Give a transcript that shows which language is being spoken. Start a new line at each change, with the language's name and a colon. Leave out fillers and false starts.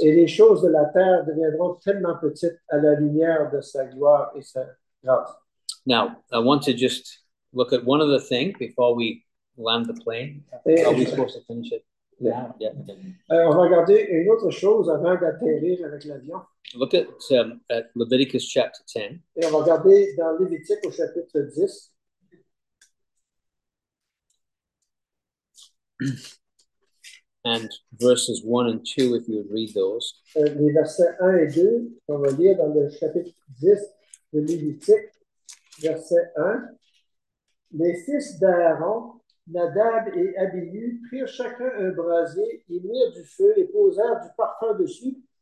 French: Et les choses de la terre deviendront tellement petites à la lumière de sa gloire et sa grâce.
English: Now, I want to just look at one other thing before we land the plane. Are we supposed to finish it?
French: On va regarder une autre chose avant d'atterrir avec l'avion.
English: Look at Leviticus chapter 10.
French: Et on va regarder dans Lévitique au chapitre 10.
English: And verses 1 and 2, if you would read those.
French: Les versets 1 et 2, on va lire dans le chapitre 10 de Lévitique, verset 1. Les fils d'Aaron, Nadab et Abihu, prirent chacun un brasier, y mirent du feu et posèrent du parfum dessus.